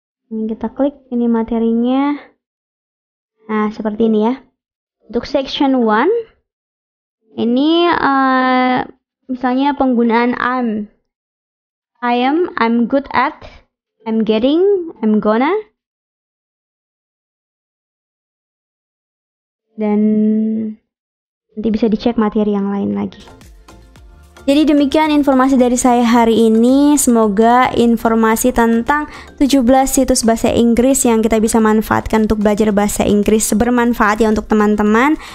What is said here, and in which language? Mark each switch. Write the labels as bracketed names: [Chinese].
[Indonesian] Ini kita klik, ini materinya. Nah, seperti ini ya. Untuk section 1, ini misalnya penggunaan I'm. [English] I am, I'm good at, I'm getting, I'm gonna. [Indonesian] Dan nanti bisa dicek materi yang lain lagi. Jadi demikian informasi dari saya hari ini. Semoga informasi tentang 17 situs bahasa Inggris yang kita bisa manfaatkan untuk belajar bahasa Inggris bermanfaat ya untuk teman-teman.